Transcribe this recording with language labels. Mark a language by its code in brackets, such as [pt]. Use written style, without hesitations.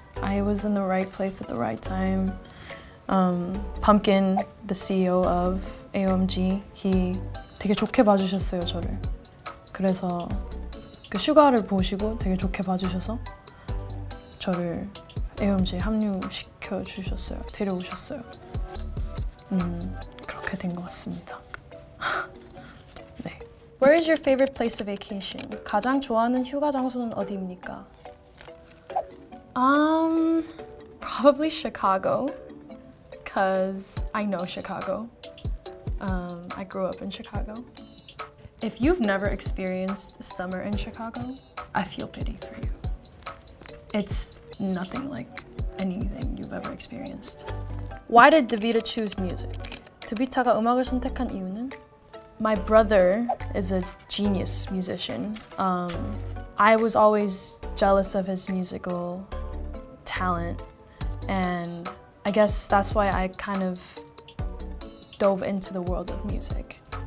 [en] I was in the right place at the right time. Pumpkin, the CEO of AOMG, he [ko] 되게 좋게 봐주셨어요, 저를. 그래서 그 슈가를 보시고 되게 좋게 봐주셔서 저를 AOMG에 합류시켜주셨어요, 데려오셨어요. 그렇게 된 것 같습니다. 네. [en] Where is your favorite place of vacation? [ko] 가장 좋아하는 휴가 장소는 어디입니까? [en] Probably Chicago. Because I know Chicago. I grew up in Chicago. If you've never experienced summer in Chicago, I feel pity for you. It's nothing like anything you've ever experienced. Why did DeVita choose music? [ko] 드비타가 음악을 선택한 이유는? [en] My brother is a genius musician. I was always jealous of his musical talent and I guess that's why I kind of dove into the world of music.